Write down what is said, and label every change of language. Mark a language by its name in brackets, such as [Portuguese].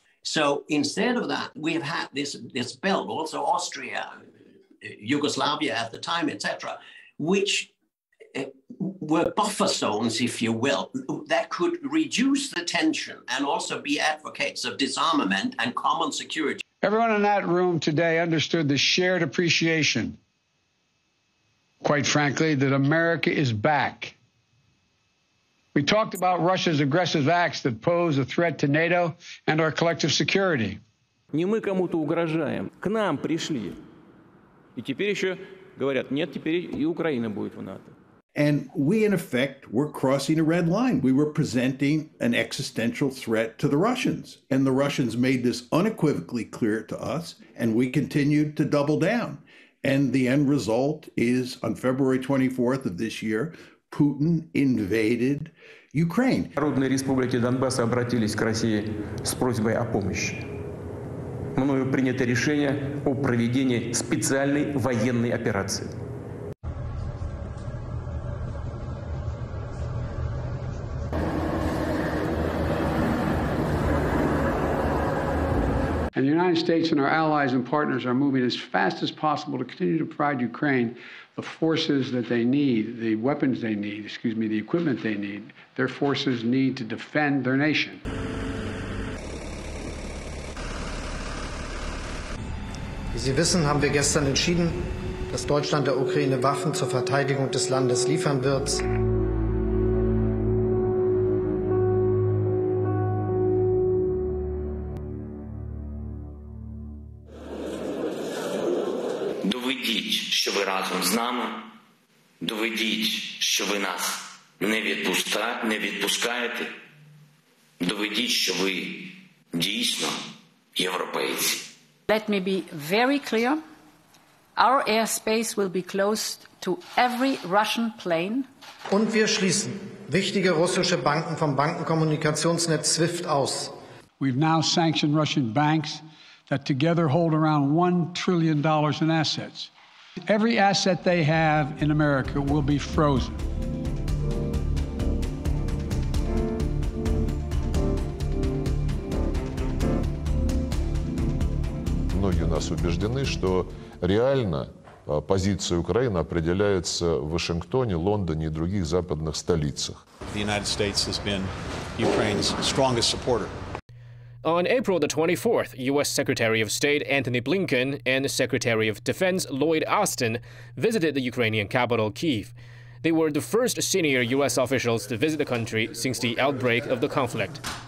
[English] So instead of that, we have had this belt, also Austria, Yugoslavia at the time, etc., which were buffer zones, if you will, that could reduce the tension and also be advocates of disarmament and common security. Everyone in that room today understood the shared appreciation, quite frankly, that America is back. We talked about Russia's aggressive acts that pose a threat to NATO and our collective security. [Russian] Не мы кому-то угрожаем, к нам пришли. И теперь еще Говорят, нет, теперь и Украина будет в НАТО. [English] And we, in effect, were crossing a red line. We were presenting an existential threat to the Russians. And the Russians made this unequivocally clear to us, and we continued to double down. And the end result is, on February 24th of this year, Putin invaded Ukraine. [Russian] Народные республики Донбасса обратились к России с просьбой о помощи. Мною принято решение о проведении специальной военной операции. [English] And the United States and our allies and partners are moving as fast as possible to continue to provide Ukraine the forces that they need, the weapons they need, excuse me, the equipment they need, their forces need to defend their nation. [German] Wie Sie wissen, haben wir gestern entschieden, dass Deutschland der Ukraine Waffen zur Verteidigung des Landes liefern wird. [Ukrainian] З нами доведіть, що ви нас не відпускаєте. Доведіть, що ви дійсно європейці. [English] Let me be very clear. Our airspace will be closed to every Russian plane. [German] Und wir schließen wichtige russische Banken vom Bankenkommunikationsnetz SWIFT aus. [English] We've now sanctioned Russian banks that together hold around $1 trillion in assets. Every asset they have in America will be frozen. [Russian] Многие у нас убеждены, что реально позиция Украины определяется в Вашингтоне, Лондоне и других западных столицах. [English] The United States has been Ukraine's strongest supporter. On April the 24th, U.S. Secretary of State Antony Blinken and Secretary of Defense Lloyd Austin visited the Ukrainian capital, Kyiv. They were the first senior U.S. officials to visit the country since the outbreak of the conflict.